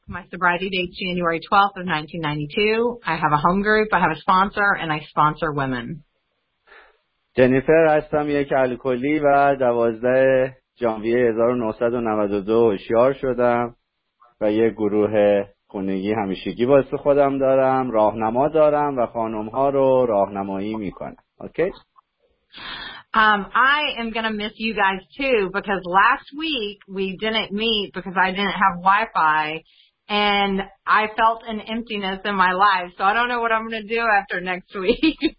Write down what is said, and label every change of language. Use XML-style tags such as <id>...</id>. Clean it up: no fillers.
<en>My sobriety date is January 12th of 1992. I have a home group. I have a sponsor, and I sponsor women. Jennifer, I'm a alcoholic, and I was there in January 1992.</en> <fa>خونگی همیشگی واسه خودم دارم، راهنما دارم و خانم ها رو راهنمایی می کنم. اوکی؟</fa> <en>I am going to miss you guys too because last week we didn't meet because I didn't have Wi-Fi and I felt an emptiness in my life. So I don't know what I'm going to do after next week.</en>